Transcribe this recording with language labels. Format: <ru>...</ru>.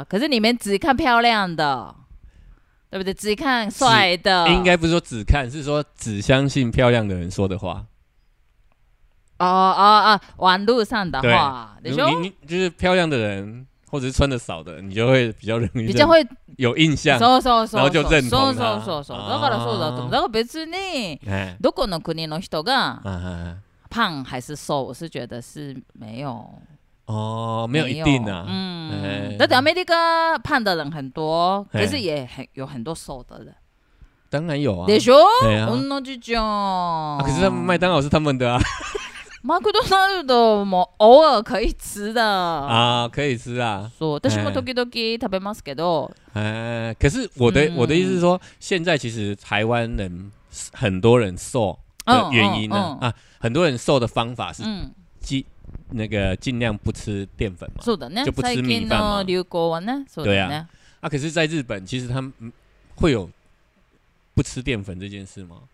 <zh>可是你们只看漂亮的，对不对？只看帅的。应该不是说只看，是说只相信漂亮的人说的话。哦哦哦，网路上的话，对，你就是漂亮的人。或者是穿的少的，你就会比较容易比较会有印象，然后就认同他。</zh> <ja>だからそうだと思う。だから別にどこの国の人が胖还是瘦，</ja> <zh>我是觉得是没有哦，没有一定的。嗯，但是アメリカ胖的人很多，可是也有很多瘦的人。当然有啊。</zh> <ja>でしょ？同じじゃん。</ja> <zh>可是麦当劳是他们的啊。</zh> <ja>マクドナルドも</ja> <zh>偶尔可以吃的啊，可以吃啊。</zh> <ja>そう、私も時々食べますけど。</ja> <zh>可是我的意思是说，现在其实台湾人很多人瘦的原因呢、啊，很多人瘦的方法是尽量不吃淀粉嘛。</zh> <ja>そうだね。</ja> <zh>就不吃米饭嘛。最近</zh> <ja>的流行はね、そうだね。</ja> <zh>对啊。啊，可是在日本，其实他们会有不吃淀粉这件事吗？</zh>